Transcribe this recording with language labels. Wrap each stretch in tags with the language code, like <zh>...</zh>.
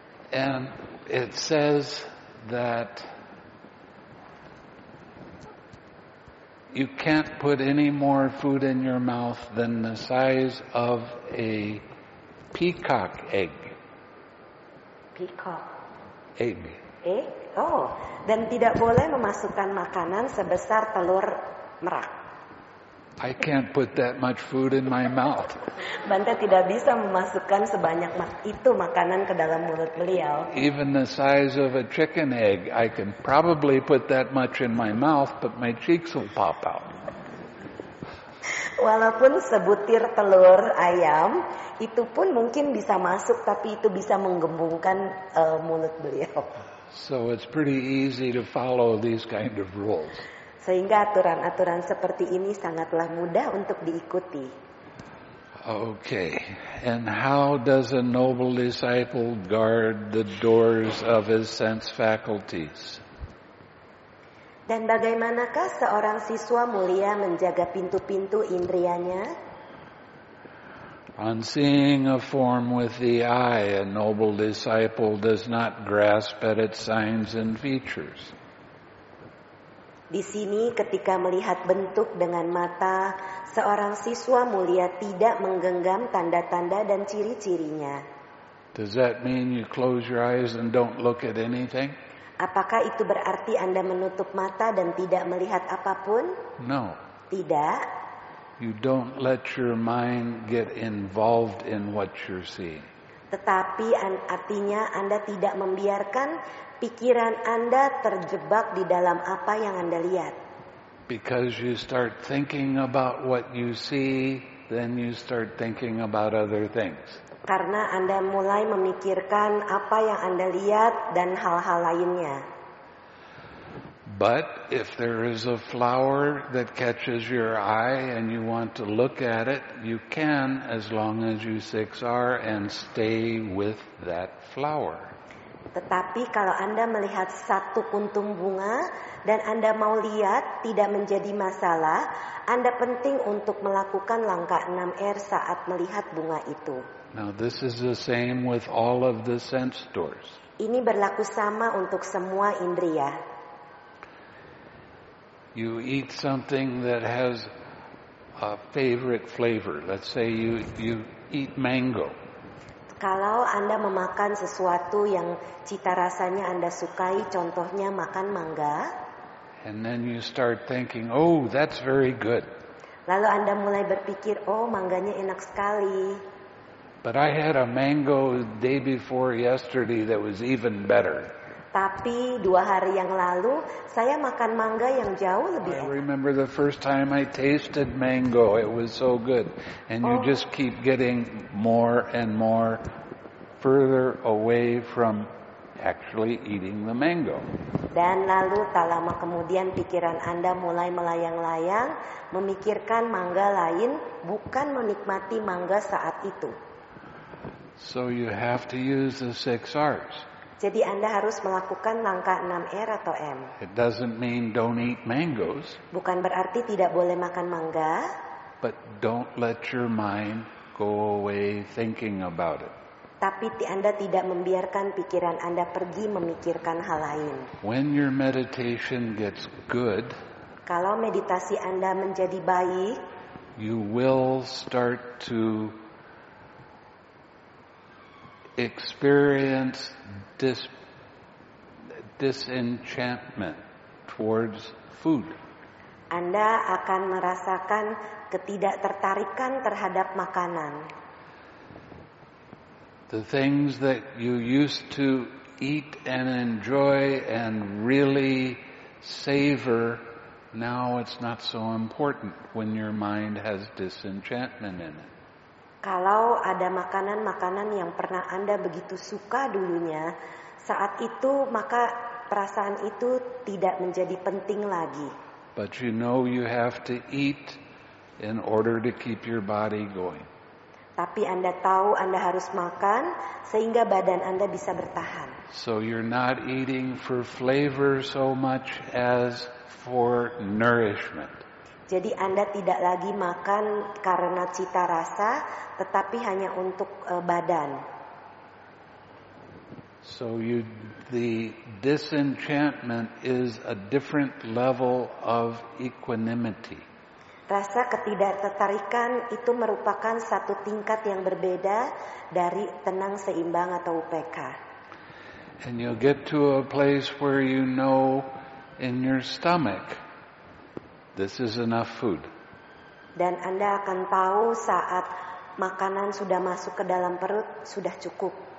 <en>And it says that you can't put any more food in your mouth than the size of a peacock egg. Peacock. Egg. Egg?</en> <id>Oh, dan tidak boleh memasukkan makanan sebesar telur merak.</id> <en>I can't put that much food in my mouth.</en> <id>Bante tidak bisa memasukkan sebanyak itu makanan ke dalam mulut beliau.</id> <en>Even the size of a chicken egg, I can probably put that much in my mouth, but my cheeks will pop out.</en> <id>Walaupun sebutir telur ayam, itu pun mungkin bisa masuk, tapi itu bisa menggembungkan mulut beliau.</id> <en>So it's pretty easy to follow these kind of rules.</en> <id>Sehingga aturan-aturan seperti ini sangatlah mudah untuk diikuti.</id> <en>Okay, and how does a noble disciple guard the doors of his sense faculties?</en> <id>Dan bagaimanakah seorang siswa mulia menjaga pintu-pintu indrianya?</id> <en>On seeing a form with the eye, a noble disciple does not grasp at its signs and features.</en> <id>Di sini ketika melihat bentuk dengan mata, seorang siswa mulia tidak menggenggam tanda-tanda dan ciri-cirinya.</id> <en>Does that mean you close your eyes and don't look at anything?</en> <id>Apakah itu berarti Anda menutup mata dan tidak melihat apapun?</id> <en>No.</en> <id>Tidak.</id> <en>You don't let your mind get involved in what you're seeing.</en> <id>Tetapi artinya Anda tidak membiarkan pikiran Anda terjebak di dalam apa yang Anda lihat.</id> <en>Because you start thinking about what you see, then you start thinking about other things.</en> <id>Karena Anda mulai memikirkan apa yang Anda lihat dan hal-hal lainnya.</id> <en>But if there is a flower that catches your eye and you want to look at it, you can as long as you six are and stay with that flower.</en> <id>Tetapi kalau Anda melihat satu kuntum bunga dan Anda mau lihat, tidak menjadi masalah. Anda penting untuk melakukan langkah 6R saat melihat bunga itu.</id> <en>Now this is the same with all of the sense doors.</en> <id>Ini berlaku sama untuk semua indria.</id> <en>You eat something that has a favorite flavor. Let's say you eat mango.</en> <id>Kalau Anda memakan sesuatu yang cita rasanya Anda sukai, contohnya makan mangga.</id> <en>And then you start thinking, oh, that's very good.</en> <id>Lalu Anda mulai berpikir, oh, mangganya enak sekali.</id> <en>But I had a mango day before yesterday that was even better.</en> <id>Tapi dua hari yang lalu saya makan mangga yang jauh lebih enak.</id> <en>I remember the first time I tasted mango. It was so good. And you just keep getting more and more further away from actually eating the mango.</en> <id>Dan lalu tak lama kemudian pikiran Anda mulai melayang-layang memikirkan mangga lain, bukan menikmati mangga saat itu.</id> <en>So you have to use the six R's.</en> <id>Jadi Anda harus melakukan langkah 6R atau M.</id> <en>It doesn't mean don't eat mangoes.</en> <id>Bukan berarti tidak boleh makan mangga.</id> <en>But don't let your mind go away thinking about it.</en> <id>Tapi Anda tidak membiarkan pikiran Anda pergi memikirkan hal lain.</id> <en>When your meditation gets good,</en> <id>kalau meditasi Anda menjadi baik,</id> <en>you will start to experience disenchantment towards food.</en> <id>Anda akan merasakan ketidaktertarikan terhadap makanan.</id> <en>The things that you used to eat and enjoy and really savor, now it's not so important when your mind has disenchantment in it.</en> <id>Kalau ada makanan-makanan yang pernah Anda begitu suka dulunya, saat itu maka perasaan itu tidak menjadi penting lagi.</id> <en>But you know you have to eat in order to keep your body going.</en> <id>Tapi Anda tahu Anda harus makan sehingga badan Anda bisa bertahan.</id> <en>So you're not eating for flavor so much as for nourishment.</en> <id>Jadi Anda tidak lagi makan karena cita rasa, tetapi hanya untuk badan.</id> <en>So the disenchantment is a different level of equanimity.</en> <id>Rasa ketidaktertarikan itu merupakan satu tingkat yang berbeda dari tenang seimbang atau UPK.</id> <en>And you'll get to a place where you know in your stomach, this is enough food.</en> <id>Dan Anda akan tahu saat makanan sudah masuk ke dalam perut, sudah cukup.</id>